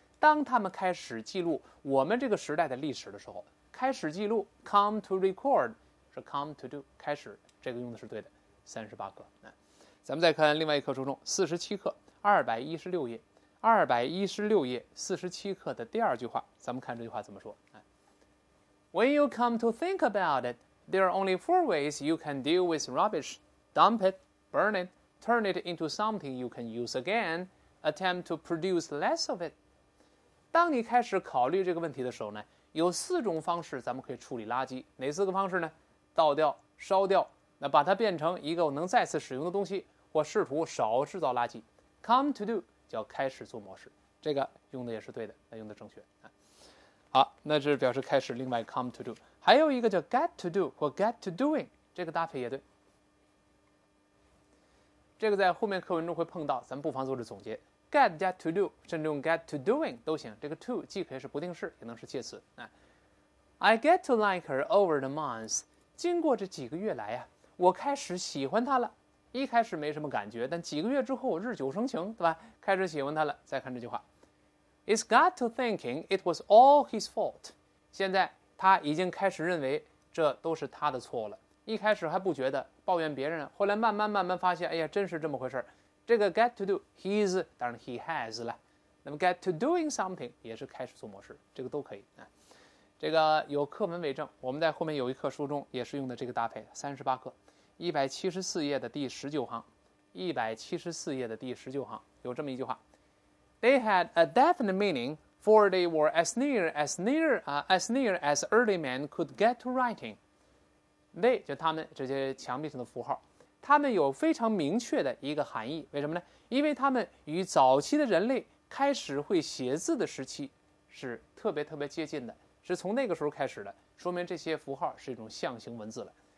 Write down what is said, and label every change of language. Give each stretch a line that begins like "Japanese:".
Chinese: 当他们开始记录我们这个时代的历史的时候，开始记录
English: come to record
Chinese: 是
English: come to do，
Chinese: 开始，这个用的是对的。 38课，咱们再看另外一课书中，47课216页，216页47课的第二句话，咱们看这句话怎么说。
English: When you come to think about it, there are only four ways you can deal with rubbish. Dump it, burn it, turn it into something you can use again, attempt to produce less of it.
Chinese: 当你开始考虑这个问题的时候呢，有四种方式咱们可以处理垃圾。哪四个方式呢？倒掉、烧掉，那把它变成一个能再次使用的东西，或试图少制造垃圾。
English: Come to do
Chinese: 叫开始做模式，这个用的也是对的，用的正确。好，那是表示开始，另外
English: come to do，
Chinese: 还有一个叫
English: get to do
Chinese: 或
English: get to doing，
Chinese: 这个搭配也对，这个在后面课文中会碰到，咱们不妨做着总结。 get 加 to do， 甚至用 get to doing 都行，这个 to 既可以是不定式，也能是介词。
English: I get to like her over the months，
Chinese: 经过这几个月来啊，我开始喜欢她了，一开始没什么感觉，但几个月之后日久生情，对吧，开始喜欢她了。再看这句话，
English: It's got to thinking it was all his fault.
Chinese: 现在他已经开始认为这都是他的错了。一开始还不觉得，抱怨别人，后来慢慢慢慢发现，哎呀，真是这么回事。这个
English: get to do his，
Chinese: 当然
English: he has
Chinese: 了。那么
English: get to doing something
Chinese: 也是开始做模式，这个都可以。这个有课文为证，我们在后面有一课书中也是用的这个搭配，38课174页的第19行，174页的第19行有这么一句话。
English: They had a definite meaning, for they were as near as early men could get to writing.
Chinese: They 就他们这些墙壁上的符号，他们有非常明确的一个含义。为什么呢？因为他们与早期的人类开始会写字的时期是特别特别接近的，是从那个时候开始的，说明这些符号是一种象形文字了。